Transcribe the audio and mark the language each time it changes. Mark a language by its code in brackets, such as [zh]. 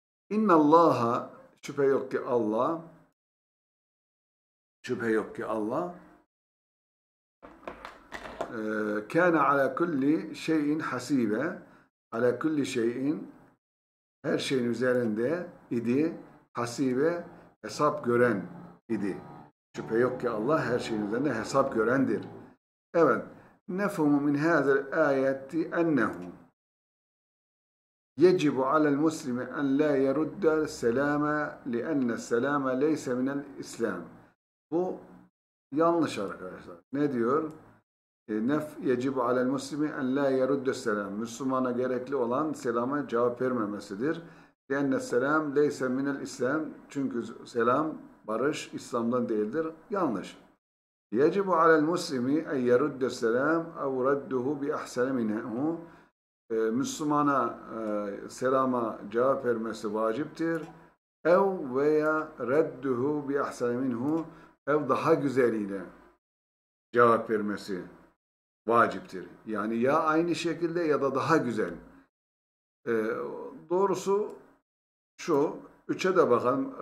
[tr] İnna Allah'a, şüphe yok ki Allah, şüphe yok ki Allah, [ar] kâne ala kulli şeyin hasibe, [tr] ala kulli şeyin, her şeyin üzerinde idi, hasibe, hesap gören idi. Şüphe yok ki Allah her şeyin üzerinde hesap görendir. Evet, [ar] nefhumu min hâzel âyeti ennehu يجب على المسلم أن لا يرد السلام لأن السلام ليس من الإسلام. [tr] Bu yanlış arkadaşlar. Ne diyor? [ar] يجب على المسلم أن لا يرد السلام. [tr] Müslümana gerekli olan selama cevap vermemesidir. [ar] لأن السلام ليس من الإسلام. [tr] Çünkü selam, barış İslam'dan değildir. Yanlış. [ar] يجب على المسلم أن يرد السلام أو رده بأحسن منه. [tr] Müslümana selama cevap vermesi vaciptir. Ev veya [ar] redduhu bi ahsen minhu, [tr] ev daha güzeliyle cevap vermesi vaciptir. Yani ya aynı şekilde ya da daha güzel. Doğrusu şu, üçe de bakalım.